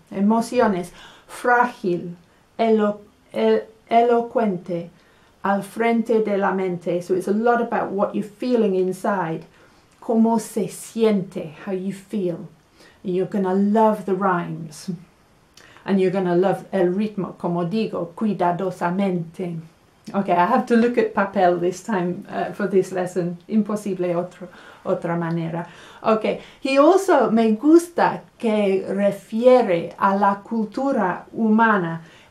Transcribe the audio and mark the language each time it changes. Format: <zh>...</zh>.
<es>Emociones, frágil, elocuente, al frente de la mente.</es> <en>So it's a lot about what you're feeling inside.</en> <es>Cómo se siente,</es> <en>how you feel. And you're going to love the rhymes. And you're going to love</en> <es>el ritmo, como digo, cuidadosamente.</es> <en>Okay, I have to look at papel this time for this lesson.</en> <es>Imposible otra manera. Okay,</es> <en>he also,</en> <es>me gusta que refiere a la cultura humana.</es>